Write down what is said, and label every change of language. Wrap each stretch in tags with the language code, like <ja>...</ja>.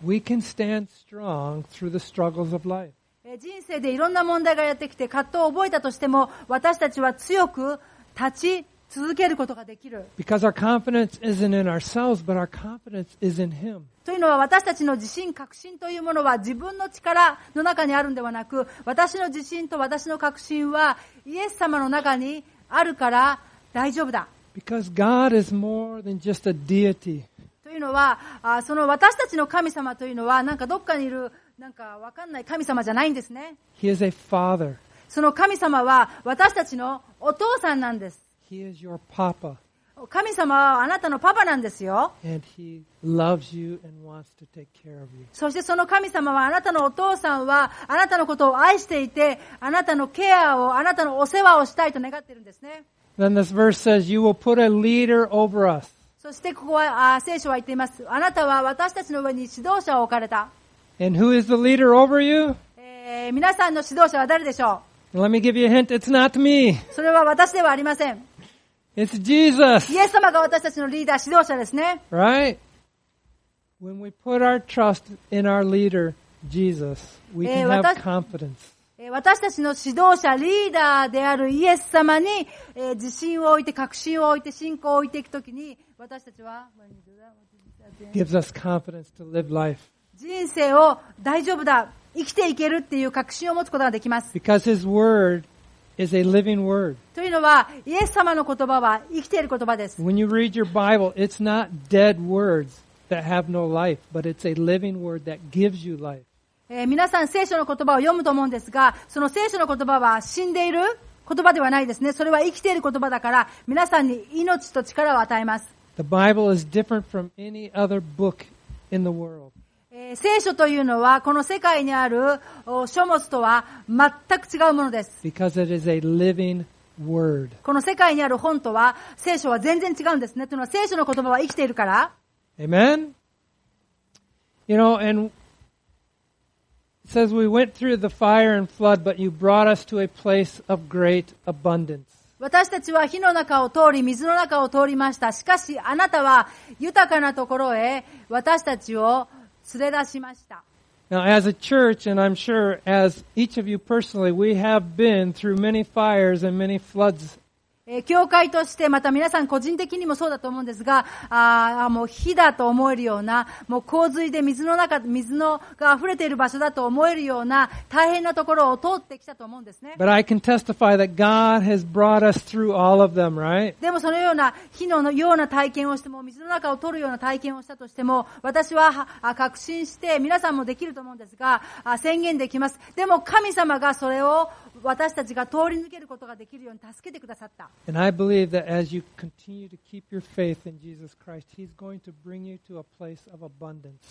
<en>We can stand strong through the struggles of life.</en> <ja>人生でいろんな問題がやってきて葛藤を覚えたとしても、私たちは強く立ち続けることができる。</ja> <en>Because our confidence isn't in ourselves, but our confidence is in Him.</en> <ja>というのは、私たちの自信、確信というものは自分の力の中にあるんではなく、私の自信と私の確信はイエス様の中にあるから大丈夫だ。</ja> <en>Because God is more than just a deity.</en> <ja>というのは、その私たちの神様というのは、なんかどっかにいる、なんかわかんない神様じゃないんですね。</ja> <en>He is a father.</en> <ja>その神様は私たちのお父さんなんです。</ja> <en>He is your papa.</en> <ja>神様はあなたのパパなんですよ。</ja> <en>And he loves you and wants to take care of you.</en> <ja>そしてその神様は、あなたのお父さんはあなたのことを愛していて、あなたのケアを、あなたのお世話をしたいと願っているんですね。</ja> <en>Then this verse says, you will put a leader over us.</en> <ja>そしてここは、聖書は言っています。あなたは私たちの上に指導者を置かれた。</ja> <en>And who is the leader over you?</en> <ja>皆さんの指導者は誰でしょう?</ja> <en>Let me give you a hint. It's not me.</en> <ja>それは私ではありません。</ja> <en>It's Jesus.</en> <ja>イエス様が私たちのリーダー、指導者ですね。</ja> <en>Right? When we put our trust in our leader, Jesus, we can have confidence.</en> <ja>私たちの指導者、リーダーであるイエス様に、自信を置いて、確信を置いて、信仰を置いていくときに、私たちは、</ja> <en>gives us confidence to live life.</en> <ja>人生を大丈夫だ、生きていけるっていう確信を持つことができます。</ja> <en>Because his word is a living word.</en> <ja>というのは、イエス様の言葉は生きている言葉です。</ja> <en>When you read your Bible, it's not dead words that have no life, but it's a living word that gives you life.</en> <ja>皆さん、聖書の言葉を読むと思うんですが、その聖書の言葉は死んでいる言葉ではないですね。それは生きている言葉だから、皆さんに命と力を与えます。</ja> <en>The Bible is different from any other book in the world.</en> <ja>聖書というのは、この世界にある書物とは全く違うものです。</ja> <en>Because it is a living word.</en> <ja>この世界にある本とは、聖書は全然違うんですね。というのは、聖書の言葉は生きているから。</ja> <en>Amen? You know, and it says we went through the fire and flood, but you brought us to a place of great abundance.</en> <ja>私たちは火の中を通り、水の中を通りました。しかし、あなたは豊かなところへ私たちを連れ出しました。</ja> <en>Now, as a church, and I'm sure as each of you personally, we have been through many fires and many floods</en> <ja>教会としてまた皆さん個人的にもそうだと思うんですが、あもう火だと思えるような、もう洪水で水の中、水のが溢れている場所だと思えるような大変なところを通ってきたと思うんですね。</ja> <en>But I can testify that God has brought us through all of them, right?</en> <ja>でもそのような火のような体験をしても、水の中を通るような体験をしたとしても、私は確信して、皆さんもできると思うんですが、宣言できます。でも神様がそれを私たちが通り抜けることができるように助けてくださった。</ja> <en>And I believe that as you continue to keep your faith in Jesus Christ, He's going to bring you to a place of abundance.</en>